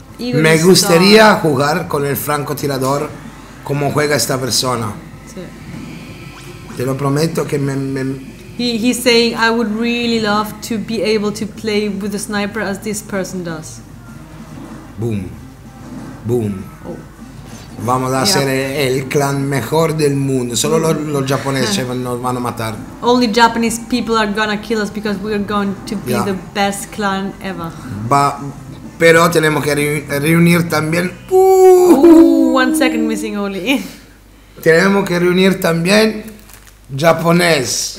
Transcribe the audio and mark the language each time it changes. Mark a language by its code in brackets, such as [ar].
[es] Me gustaría star. Jugar con el francotirador. Cómo juega esta persona. Sí. Te lo prometo que me. [en] He's saying I would really love to be able to play with a sniper as this person does. Boom. Boom. Oh. [es] Vamos a hacer el clan mejor del mundo. Solo los japoneses nos van a matar. [en] Only Japanese people are gonna kill us because we are going to be the best clan ever. [es] Pero tenemos que reunir también. [en] One second missing only. [es] Tenemos que reunir también japonés.